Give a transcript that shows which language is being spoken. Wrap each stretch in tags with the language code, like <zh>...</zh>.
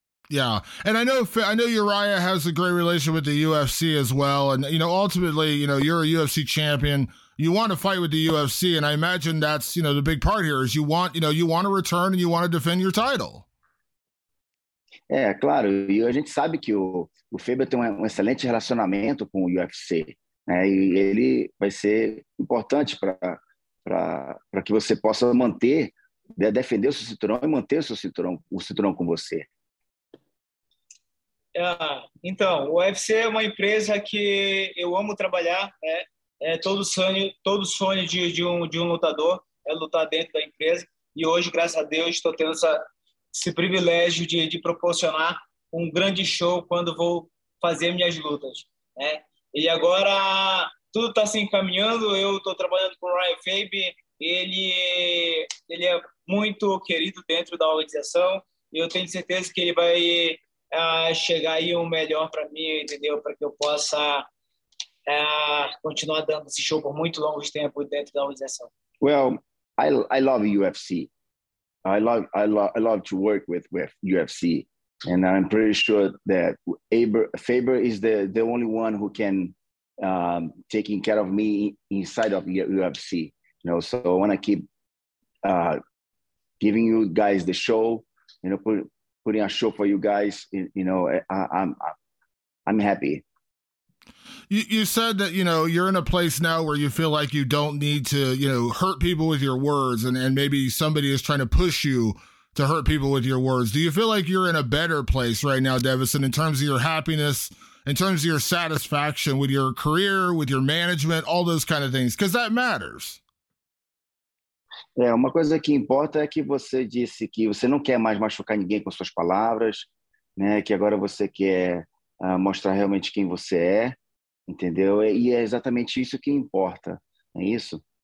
<en>Yeah. And I know Uriah has a great relationship with the UFC as well. And, you know, ultimately, you know, you're a UFC champion. You want to fight with the UFC. And I imagine that's, you know, the big part here is you want to return and you want to defend your title.</en> <pt>É, claro. E a gente sabe que o Faber tem um excelente relacionamento com o UFC, né? E ele vai ser importante para que você possa manter, defender o seu cinturão e manter o cinturão com você. Então, o UFC é uma empresa que eu amo trabalhar. Né? É todo sonho de um lutador é lutar dentro da empresa. E hoje, graças a Deus, estou tendo esse privilégio de proporcionar um grande show quando vou fazer minhas lutas. Né? E agora, tudo está se encaminhando. Eu estou trabalhando com o Ryan Fabian. Ele é muito querido dentro da organização. E eu tenho certeza que ele vai chegar aí um melhor para mim, entendeu? Para que eu possa continuar dando esse show por muito longo tempo dentro da organização.</pt> <en>Well, I love UFC. I love to work with UFC, and I'm pretty sure that Faber is the only one who can taking care of me inside of UFC. You know, so I want to keep giving you guys the show. You know, putting a show for you guys. You know, I'm happy. You said that, you know, you're in a place now where you feel like you don't need to, you know, hurt people with your words, and maybe somebody is trying to push you to hurt people with your words. Do you feel like you're in a better place right now, Deiveson, in terms of your happiness, in terms of your satisfaction with your career, with your management, all those kind of things? Because that matters.</en> <pt>É, uma coisa que importa é que você disse que você não quer mais machucar ninguém com suas palavras, né? Que agora você quer mostrar realmente quem você é. Entendeu? E é exatamente isso que importa, não é isso?</pt>